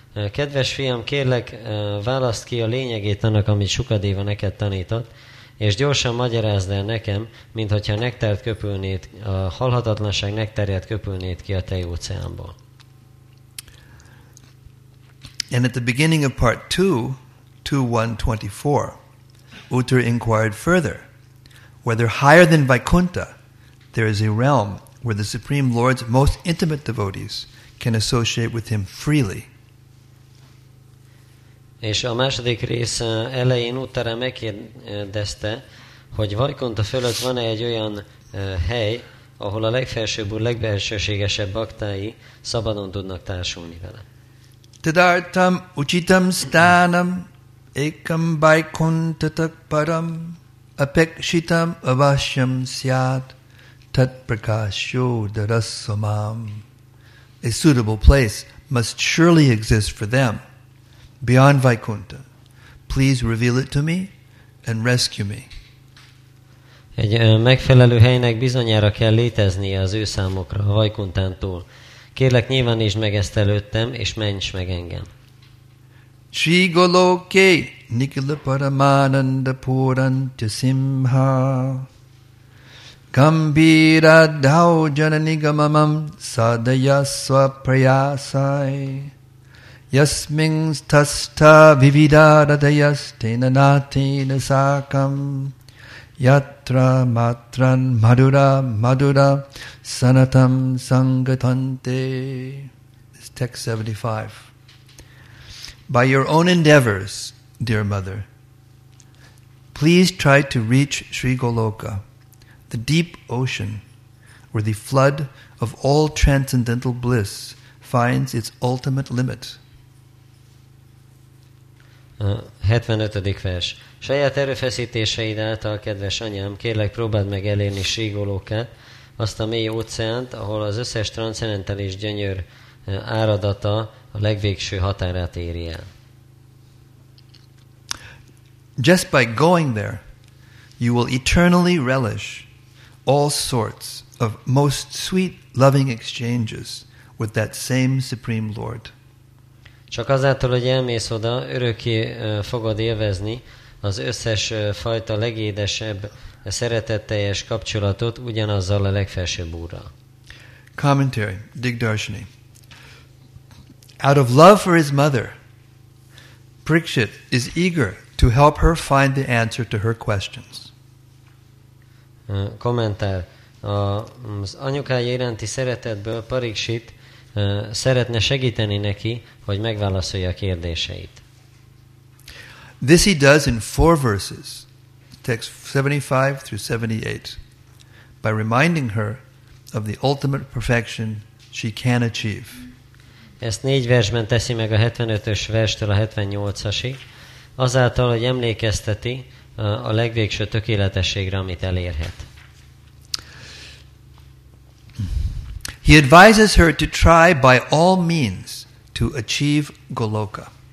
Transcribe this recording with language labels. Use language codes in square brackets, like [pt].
[hu] Kedves fiam, kérlek, választ ki a lényegét annak, amit Shukadeva neked tanított, és gyorsan magyarázd el nekem, minthogyha nektárt köpülnéd, a halhatatlanság nektárját köpülnéd ki a tejóceánból. [en] And at the beginning of part 2.1.24, Uttara inquired further whether higher than Vaikuntha there is a realm where the Supreme Lord's most intimate devotees can associate with him freely. [hu] És a második rész elején Uttara megkérdezte, hogy Vaikuntha fölött van-e egy olyan hely, ahol a legfelsőbb, legbelsőségesebb baktái szabadon tudnak társulni vele. [sa] Tadartam uchitam stánam ekam vaikuntatak param apekshitam avashyam syat tat prakasho darasamam. [en] A suitable place must surely exist for them beyond Vaikuntha. Please reveal it to me and rescue me. [hu] Egy megfelelő helynek bizonyára kell léteznie az ő számokra, a Vaikunthán túl. Kérlek, nyilvánítsd meg ezt előttem, és ments meg engem. [sa] Sri Goloke Nikila Paramananda Puranta Simha Gambira Dhao Jananigamamam Sadaya Swaprayasai Yasmings Tasta Vivida Radayas Tenanatina Sakam Yatra Matran Madura Madura Sanatam Sangatante. [en] This is text 75. By your own endeavors, dear mother, please try to reach Sri Goloka, the deep ocean where the flood of all transcendental bliss finds its ultimate limit. [hu] 75. vers. Saját erőfeszítéseid által, kedves anyám, kérlek, próbáld meg elérni Sri Golokát, azt a mély óceánt, ahol az összes transzcendentális gyönyör áradata a legvégső határát éri el. [en] Just by going there, you will eternally relish all sorts of most sweet loving exchanges with that same Supreme Lord. [hu] Csak azáltal, hogy elmész oda, örökké fogod élvezni az összes fajta legédesebb, szeretetteljes kapcsolatot ugyanazzal a legfelsőbb úrral. [en] Commentary, Digdarshini. Out of love for his mother, Prikshit is eager to help her find the answer to her questions. [hu] Kommentár. Az anyukája iránti szeretetből Prikshit szeretne segíteni neki, hogy megválaszolja a kérdéseit. [en] This he does in four verses, text 75 through 78, by reminding her of the ultimate perfection she can achieve. [hu] Ezt négy versben teszi meg a 75-ös verstől a 78-asig, azáltal, hogy emlékezteti a legvégső tökéletességre, amit elérhet. [en] He advises her to try by all means to achieve Goloka.